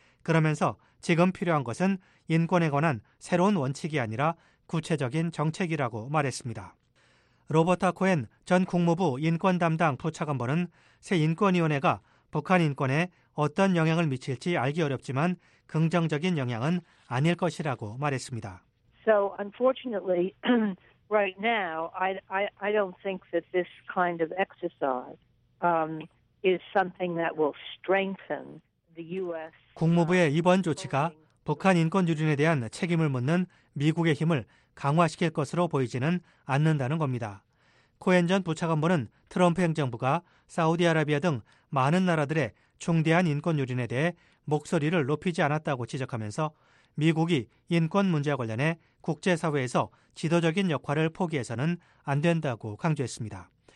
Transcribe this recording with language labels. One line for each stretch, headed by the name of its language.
Korean: 그러면서 지금 필요한 것은 인권에 관한 새로운 원칙이 아니라 구체적인 정책이라고 말했습니다. 로버타 코엔 전 국무부 인권 담당 부차관보는 새 인권위원회가 북한 인권에 어떤 영향을 미칠지 알기 어렵지만 긍정적인 영향은 아닐 것이라고 말했습니다.
English: So unfortunately, right now, I don't think that this kind of exercise is something that will strengthen the U.S.
Korean: 국무부의 이번 조치가 북한 인권 유린에 대한 책임을 묻는 미국의 힘을 강화시킬 것으로 보이지는 않는다는 겁니다. 코엔 전 부차관보는 트럼프 행정부가 사우디아라비아 등 많은 나라들의 중대한 인권 유린에 대해 목소리를 높이지 않았다고 지적하면서 미국이 인권 문제와 관련해 국제사회에서 지도적인 역할을 포기해서는 안 된다고 강조했습니다.